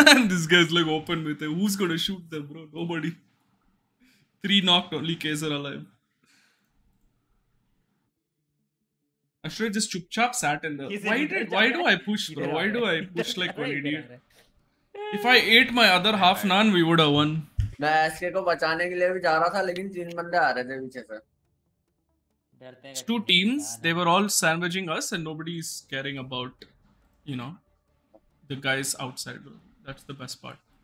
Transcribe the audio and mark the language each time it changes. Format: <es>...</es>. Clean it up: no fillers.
<en>है. This guy is like open with it. Who's gonna shoot them, bro? Nobody. Three knocked only, Kaiser alive. I should have just chup chap sat in there. Why do I push like one idiot? If I ate my other half naan, we would have won.</en> <hi>मैं SK को बचाने के लिए भी जा रहा था लेकिन तीन बंदे आ रहे थे पीछे से.</hi> <en>It's two teams. They were all sandwiching us and nobody is caring about, you know, the guys outside. That's the best part.</en>